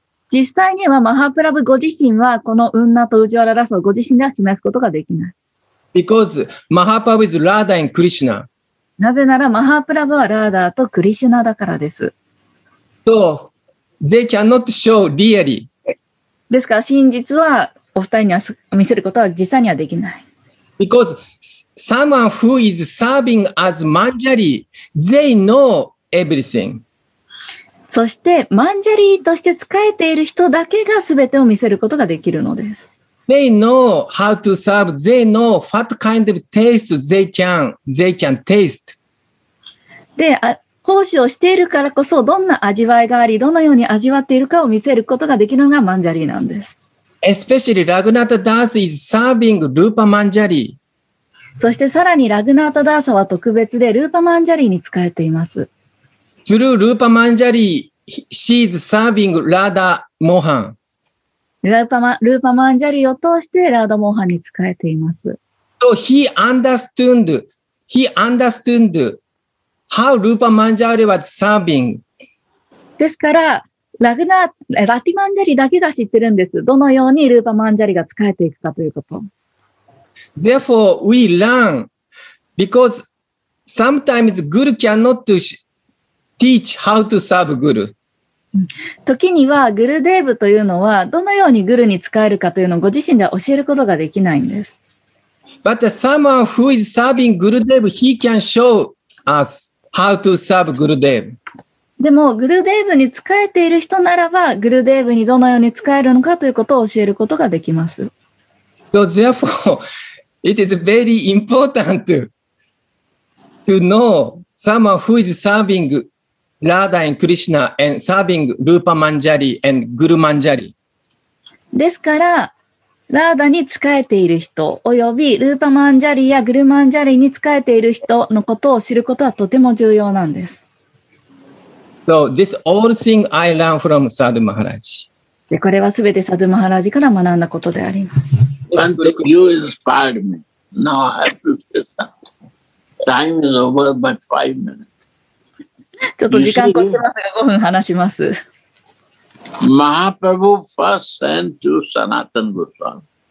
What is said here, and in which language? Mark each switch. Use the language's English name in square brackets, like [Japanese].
[Japanese] 実際にはマハプラブご自身はこの Unnato Ujjala Rasa をご自身では示すことができない。 [English] Because Mahaprabhu is Radha and Krishna. [Japanese] なぜならマハープラブはラーダーとクリシュナだからです。 [English] So they cannot show really. [Japanese] ですから真実はお二人には見せることは実際にはできない。 [English] Because someone who is serving as Manjari, they know everything. [Japanese] そしてマンジャリーとして仕えている人だけがすべてを見せることができるのです。 [English] They know how to serve. They know what kind of taste they can taste. [Japanese] で、奉仕をしているからこそどんな味わいがあり、どのように味わっているかを見せることができるのがマンジャリーなんです。 [English] Especially Raghunatha Das is serving Rupa Manjari. [Japanese] そしてさらにラグナータダーサは特別でルーパマンジャリーに仕えています。 [English] Through Rupa Manjari, she is serving Radha Mohan. [Japanese] ルーパマンジャリーを通してラードモーハンに仕えています。 [English] So he understood how Rupa Manjari was serving. [Japanese] ですから、ラティマンジャリーだけが知ってるんです。どのようにルーパマンジャリーが仕えていくかということ。 [English] Therefore, we learn because sometimes Guru cannot teach how to serve Guru. [Japanese] 時にはグルデーブというのはどのようにグルに使えるかというのをご自身では教えることができないんです。 [English] But someone who is serving Gurudev, he can show us how to serve Gurudev. [Japanese] でもグルデーブに使えている人ならばグルデーブにどのように使えるのかということを教えることができます。 [English] So therefore, it is very important to know someone who is servingRadha and Krishna and serving Rupa Manjari and Guru Manjari. [Japanese] ですから、ラーダに仕えている人、およびルーパマンジャリやグルマンジャリに仕えている人のことを知ることはとても重要なんです。 [English] So, this all thing I learned from Sadhu Maharaj. [Japanese] これはすべてサドゥ・マハラジから学んだことであります。 [English] And you inspired me. Now I have to sit down. Time is over but 5 minutes. [Japanese] ちょっと時間越しますが5分話します。 [English] マハプラブ first sent to サナタナゴスワミ。